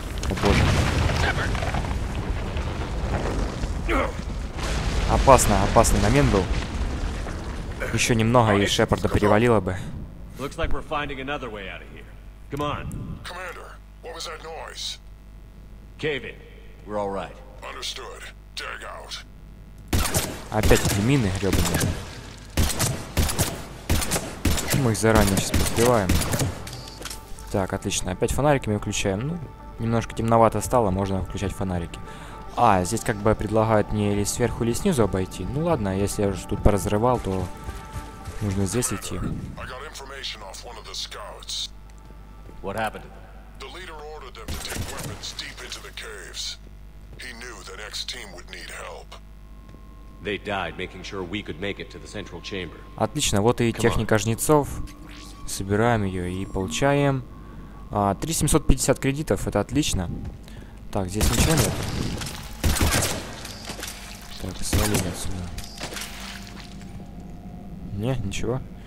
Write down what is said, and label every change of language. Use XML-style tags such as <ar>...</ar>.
<ru>О боже. Опасно, опасный момент был. Еще немного, и Шепарда перевалило бы.</ru> <en>Looks like we're finding another way out of here. Come on. Commander, what was that noise? Cave in. We're all right. Understood. Dig out.</en> <ru>Опять эти мины гребаные. Мы их заранее сейчас поспеваем. Так, отлично. Опять фонариками включаем. Ну, немножко темновато стало, можно включать фонарики. А, здесь как бы предлагают мне или сверху, или снизу обойти. Ну ладно, если я уже тут поразрывал, то нужно здесь идти.</ru> <en>Off one of the scouts. What happened? The leader ordered them to take weapons deep into the caves. He knew that X team would need help. They died making sure we could make it to the central chamber.</en> <ru>Отлично, вот и техника жнецов. Собираем ее и получаем 3750 кредитов. Это отлично. Так, здесь ничего нет. Так, свалили отсюда. Не, ничего.</ru>